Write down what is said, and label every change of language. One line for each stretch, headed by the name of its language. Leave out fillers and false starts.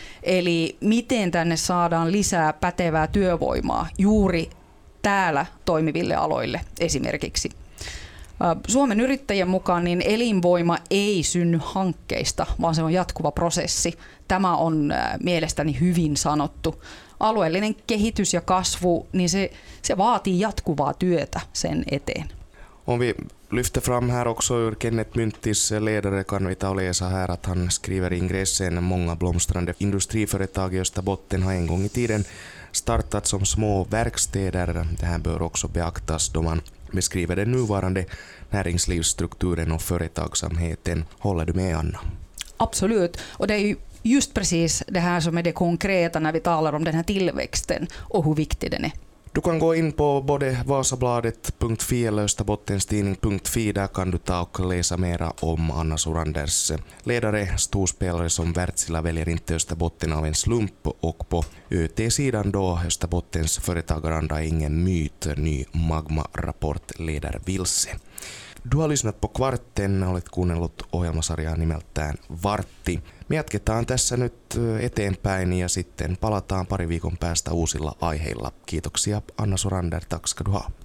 Finnish: Eli miten tänne saadaan lisää pätevää työvoimaa juuri täällä toimiville aloille esimerkiksi. Suomen yrittäjien mukaan niin elinvoima ei synny hankkeista, vaan se on jatkuva prosessi. Tämä on mielestäni hyvin sanottu. Alueellinen kehitys ja kasvu, niin se vaatii jatkuvaa työtä sen eteen.
Swedish: Om vi lyfter fram här också ur Kenneth Myntis ledare kan vi ta och läsa här att han skriver ingressen många blomstrande industriföretag i Österbotten har en gång i tiden startat som små verkstäder. Det här bör också beaktas då man beskriver den nuvarande näringslivsstrukturen och företagsamheten. Håller du med, Anna? Absolut. Och det är just precis det här som är det konkreta när vi talar om den här tillväxten och hur viktig den är. Du kan gå in på både vasabladet.fi eller österbottenstidning.fi. Där kan du ta och läsa mer om Anna Soranders ledare, storspelare som Wärtsilä väljer inte Österbotten av en slump. Och på ÖT-sidan då, Österbottens företagaranda är ingen myt, ny Magma-rapport leder vilse. Du har lyssnat på Kvartten,
Finnish: olet kuunnellut ohjelmasarjaa nimeltään Vartti. Me jatketaan tässä nyt eteenpäin ja sitten palataan pari viikon päästä uusilla aiheilla. Kiitoksia Anna Sorander,
Swedish: tack ska du ha.